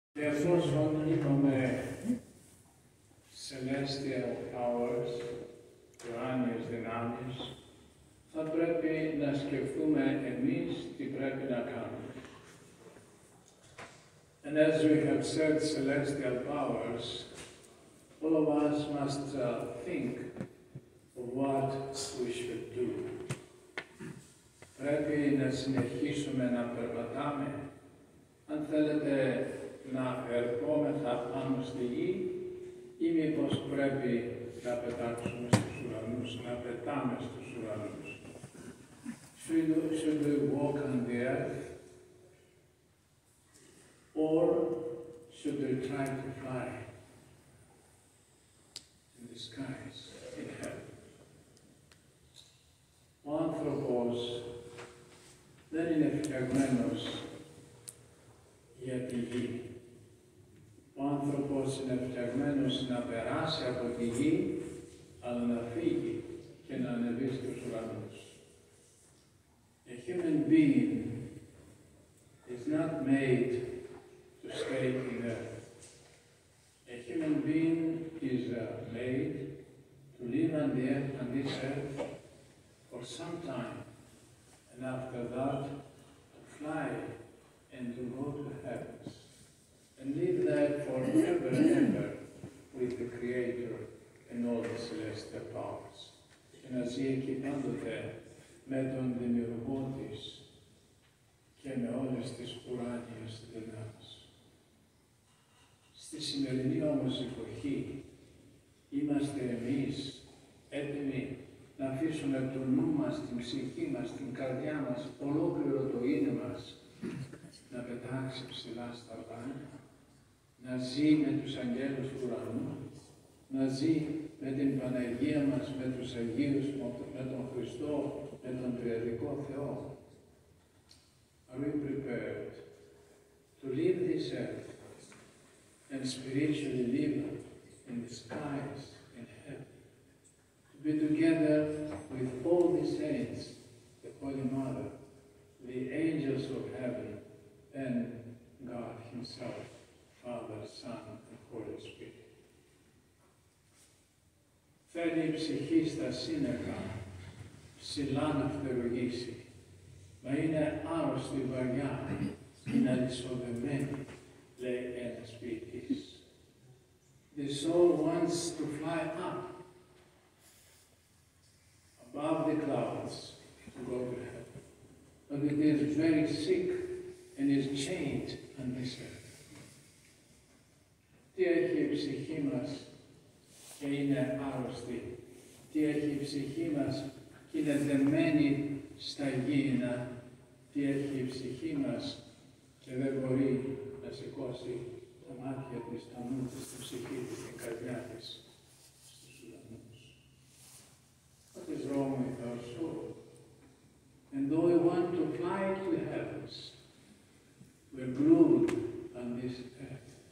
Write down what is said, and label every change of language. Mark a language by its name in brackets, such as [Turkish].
[Greek] Θεός όταν είπαμε [English] celestial powers, [Greek] ουράνιες δυνάμεις, θα πρέπει να σκεφτούμε εμείς τι πρέπει να κάνουμε. [English] And as we have said celestial powers, all of us must think of what we should do. [Greek] Πρέπει να συνεχίσουμε να περπατάμε, αν θέλετε, να ερχόμεθα πάνω στη γη ή μήπως πρέπει να πετάξουμε στους ουρανούς, να πετάμε στους ουρανούς. [English] Should we walk on the earth or should we try to fly in the skies, in heaven? [Greek] Ο άνθρωπος δεν είναι φτιαγμένος για τη γη. Ο άνθρωπος είναι φτιαγμένος να περάσει από τη γη, αλλά να φύγει και να ανεβεί στους ουρανούς. [English] A human being is not made to stay in earth. A human being is made to live on the earth, on this earth, for some time, and after that, to fly and to go to heaven. And live there forever and ever with the Creator and all the celestial powers. [Greek] Και να ζει εκεί πάντοτε με τον Δημιουργό της και με όλες τις ουράνιες δυνάμεις. Στη σημερινή όμως εποχή είμαστε εμείς έτοιμοι να αφήσουμε το νου μας, την ψυχή μας, την καρδιά μας, ολόκληρο το είναι μας να πετάξει ψηλά στα πάνω. Να ζει με τους αγγέλους του ουρανού, να ζει με την Παναγία μας, με τους Αγίους, με τον Χριστό, με τον Τριαδικό Θεό. [English] Are we prepared to live this earth and spiritually live in the skies, in heaven? To be together with all the saints, the Holy Mother, the angels of heaven and God Himself. Father, Son, and Holy Spirit. [Greek] Θέλει η ψυχή στα σύννεφα ψηλά να φτερουγήσει, μα είναι άρρωστη βαριά, είναι αλυσοδεμένη, λέει ένας ποιητής. [English] The soul wants to fly up above the clouds to go to heaven, but it is very sick and is chained on this earth. [Greek] Τι έχει η ψυχή μας και είναι άρρωστη. Τι έχει η ψυχή μας και είναι δεμένη στα γήινα. Τι έχει η ψυχή μας και δεν μπορεί να σηκώσει τα μάτια της, τα νου της, τη ψυχή της, την καρδιά της στους ουρανούς. [English] What is wrong with our soul? And though we want to fly to the heavens, we're glued on this earth.